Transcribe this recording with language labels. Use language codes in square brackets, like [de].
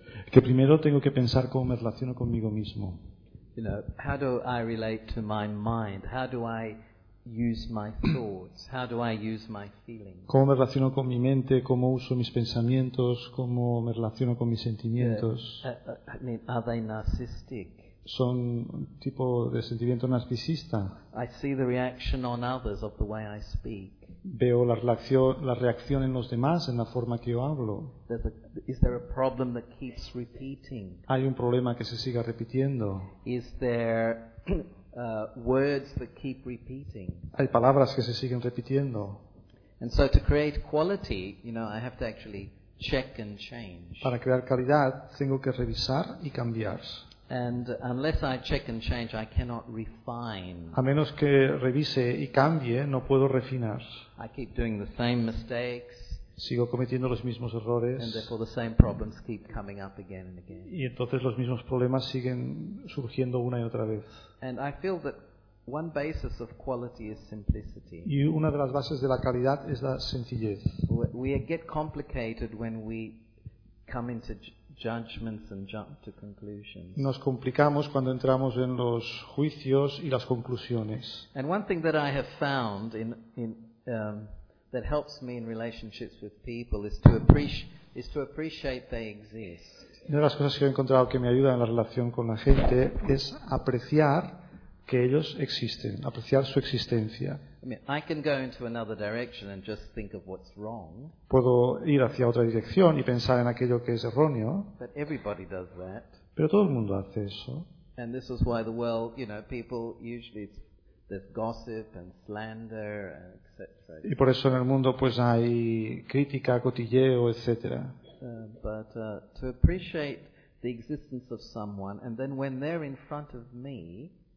[es] Que primero tengo que pensar cómo me relaciono conmigo mismo. [en] You know, how do I relate to my mind? How do I use my thoughts? How do I use my feelings? [es] ¿Cómo me relaciono con mi mente? ¿Cómo uso mis pensamientos? ¿Cómo me relaciono con mis sentimientos? [en] Yeah. I mean, are they narcissistic? [es] ¿Son un tipo de sentimiento narcisista? [en] I see the reaction on others of the way I speak. [es] Veo la reacción en los demás, en la forma que yo hablo. [en] Is there a problem that keeps repeating? [es] ¿Hay un problema que se siga repitiendo? [en] Is there words that keep repeating? [es] ¿Hay palabras que se siguen repitiendo? [en] And so to create quality, you know, I have to actually check and change. [es] Para crear calidad, tengo que revisar y cambiar. [en] And unless I check and change, I cannot refine. [es] A menos que revise y cambie, no puedo refinar. [en] I keep doing the same mistakes. [es] Sigo cometiendo los mismos errores. [en] And therefore the same problems keep coming up again and again. [es] Y entonces los mismos problemas siguen surgiendo una y otra vez. [en] And I feel that one basis of quality is simplicity. [es] Y una de las bases de la calidad es la sencillez. [en] We get complicated when we come into judgments and jump to conclusions. [es] Nos complicamos cuando entramos en los juicios y las conclusiones. [en] And one thing that I have found that helps me in relationships with people is to appreciate they exist. [es] Una de las cosas que he encontrado que me ayuda en la relación con la gente es apreciar que ellos existen, apreciar su existencia. [en] I mean, I can go into another direction and just think of what's wrong. [es] Puedo ir hacia otra dirección y pensar en aquello que es erróneo. [en] But everybody does that. [es] Pero todo el mundo hace eso. [en] And this is why the world, you know, people usually there's gossip and slander and etc. [es] Y por eso en el mundo pues hay crítica, cotilleo, etcétera. [en] But to appreciate the existence of someone and then when they're in front of me.